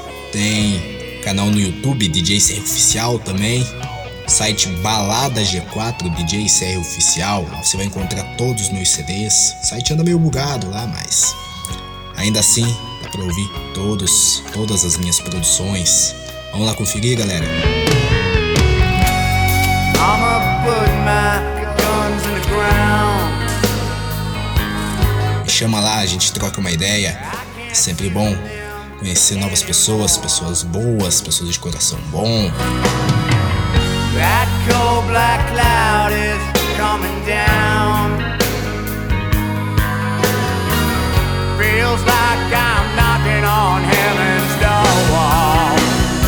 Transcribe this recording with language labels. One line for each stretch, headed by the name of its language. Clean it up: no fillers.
Portuguese: Tem canal no YouTube, DJ CR Oficial também. Site Balada G4, DJ CR Oficial. Você vai encontrar todos os meus CDs. O site anda meio bugado lá, mas ainda assim, dá pra ouvir todas as minhas produções. Vamos lá conferir, galera.
English: I'ma put my guns in the ground.
Portuguese: Chama lá, a gente troca uma ideia. É sempre bom conhecer novas pessoas, pessoas boas, pessoas de coração bom.
English: That cold black cloud is coming down. Feels like I'm knocking on heaven's door.